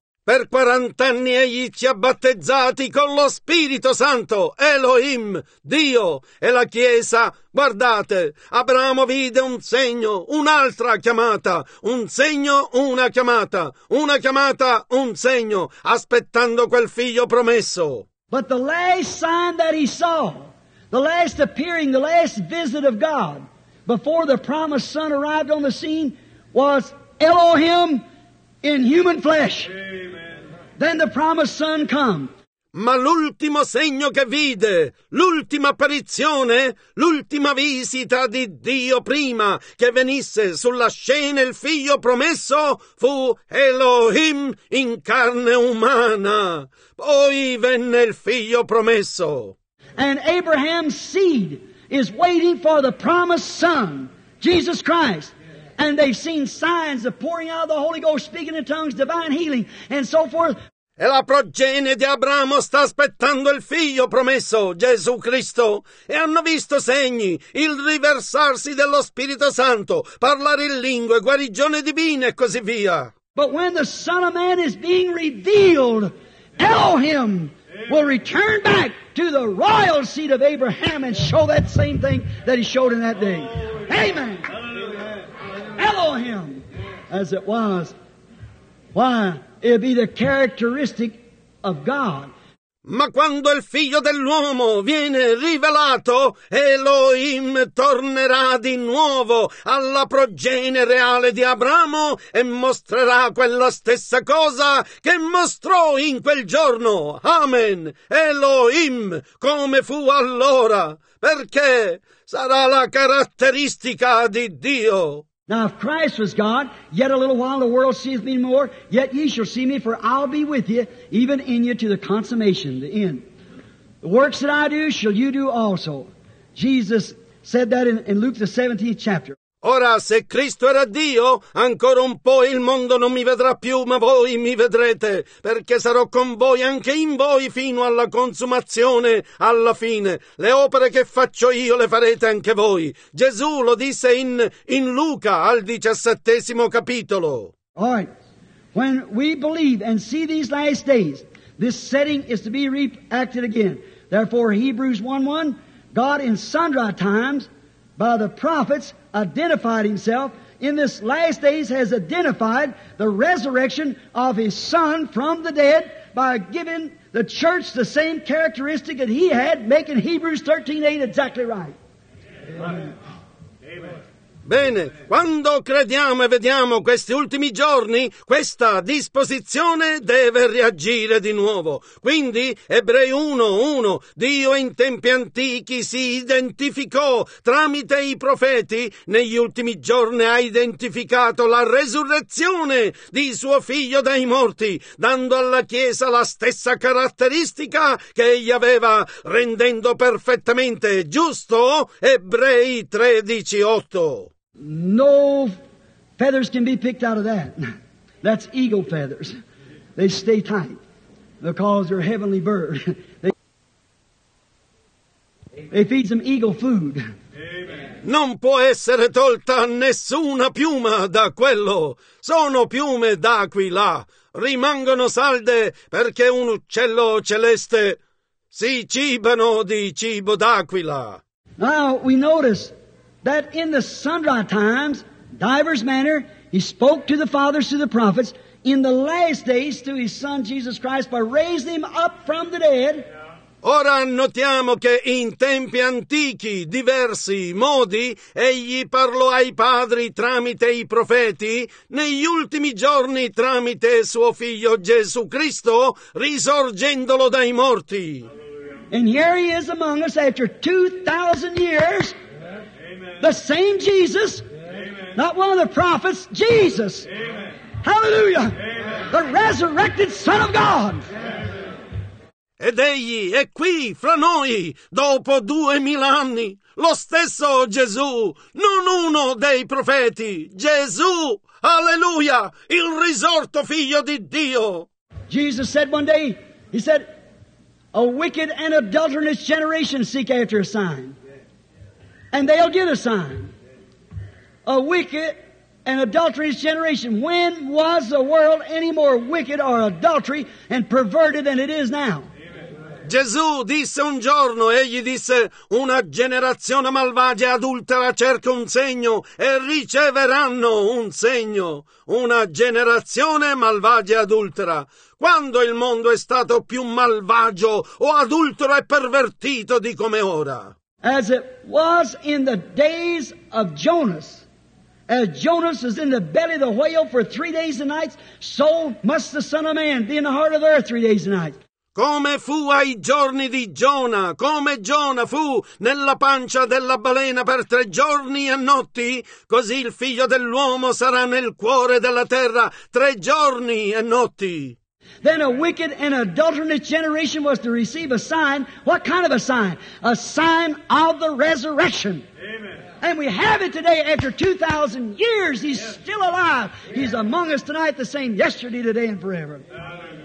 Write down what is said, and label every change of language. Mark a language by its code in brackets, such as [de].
[it] Per 40 anni egli ci ha battezzati con lo Spirito Santo, Elohim, Dio e la Chiesa. Guardate, Abramo vide un segno, un'altra chiamata, un segno, una chiamata, un segno, aspettando quel figlio promesso. [en] But the last sign that he saw, the last appearing, the last visit of God before the promised son arrived on the scene was Elohim in human flesh. Amen. Then the promised son come. [it] Ma l'ultimo segno che vide, l'ultima apparizione, l'ultima visita di Dio prima che venisse sulla scena il figlio promesso fu Elohim in carne umana. Poi venne il figlio promesso. [en] And Abraham's seed is waiting for the promised son, Jesus Christ. And they've seen signs of pouring out of the Holy Ghost, speaking in tongues, divine healing, and so forth. [it] E la progenie di Abramo sta aspettando il figlio promesso, Gesù Cristo. E hanno visto segni, il riversarsi dello Spirito Santo, parlare in lingue, guarigione divina e così via. [en] But when the Son of Man is being revealed, Elohim will return back to the royal seed of Abraham and show that same thing that he showed in that day. Oh, yeah. Amen. Hallelujah. Elohim, as it was. Why? It'd be the characteristic of God. [it] Ma quando il figlio dell'uomo viene rivelato, Elohim tornerà di nuovo alla progenie reale di Abramo e mostrerà quella stessa cosa che mostrò in quel giorno. Amen. Elohim, come fu allora. Perché? sarà la caratteristica di Dio. [en] Now, if Christ was God, yet a little while the world sees me more, yet ye shall see me, for I'll be with you, even in you, to the consummation, the end. The works that I do, shall you do also. Jesus said that in Luke, the 17th chapter. [it] Ora, se Cristo era Dio, ancora un po' il mondo non mi vedrà più, ma voi mi vedrete, perché sarò con voi, anche in voi, fino alla consumazione, alla fine. Le opere che faccio io le farete anche voi. Gesù lo disse in Luca, al 17° capitolo. [en] All right. When we believe and see these last days, this setting is to be reacted again. Therefore, Hebrews 1:1, God in sundry times, by the prophets, identified himself in this last days, has identified the resurrection of his son from the dead by giving the church the same characteristic that he had, making Hebrews 13:8 exactly right. Amen. [it] Bene, quando crediamo e vediamo questi ultimi giorni, questa disposizione deve reagire di nuovo. Quindi, Ebrei 1:1, Dio in tempi antichi si identificò tramite i profeti, negli ultimi giorni ha identificato la resurrezione di suo figlio dai morti, dando alla Chiesa la stessa caratteristica che egli aveva, rendendo perfettamente giusto Ebrei 13:8. [en] No feathers can be picked out of that. That's eagle feathers. They stay tight because they're heavenly bird. They feed them eagle food. Amen. [it] Non può essere tolta nessuna piuma da quello. Sono piume d'aquila. Rimangono salde perché un uccello celeste si cibano di cibo d'aquila. [en] Now we notice that in the sundry times, divers manner, he spoke to the fathers through the prophets, in the last days through his Son Jesus Christ by raising him up from the dead. [it] Ora notiamo che in tempi antichi, diversi modi, egli parlò ai padri tramite i profeti, negli ultimi giorni tramite suo figlio Gesù Cristo, risorgendolo dai morti. [en] And here he is among us after 2,000 years. The same Jesus, amen. Not one of the prophets, Jesus, amen. Hallelujah, amen. The resurrected Son of God. Amen. [it] Ed egli è qui fra noi dopo 2000 anni, lo stesso Gesù, non uno dei profeti, Gesù, alleluia, il risorto figlio di Dio. [en] Jesus said one day, he said, a wicked and adulterous generation seek after a sign. And they'll get a sign. A wicked and adulterous generation. When was the world any more wicked or adultery and perverted than it is now? [it] Gesù disse un giorno, egli disse, una generazione malvagia e adultera cerca un segno e riceveranno un segno. Una generazione malvagia e adultera. Quando il mondo è stato più malvagio o adultero e pervertito di come ora? [en] As it was in the days of Jonas, as Jonas was in the belly of the whale for 3 days and nights, so must the Son of Man be in the heart of the earth 3 days and nights. [it] Come fu ai giorni di Giona, come Giona fu nella pancia della balena per 3 giorni e notti, così il figlio dell'uomo sarà nel cuore della terra 3 giorni e notti. [en] Then a wicked and adulterous generation was to receive a sign. What kind of a sign? A sign of the resurrection. Amen. And we have it today after 2,000 years. He's yes. Still alive. Yes. He's among us tonight, the same yesterday, today, and forever. Amen.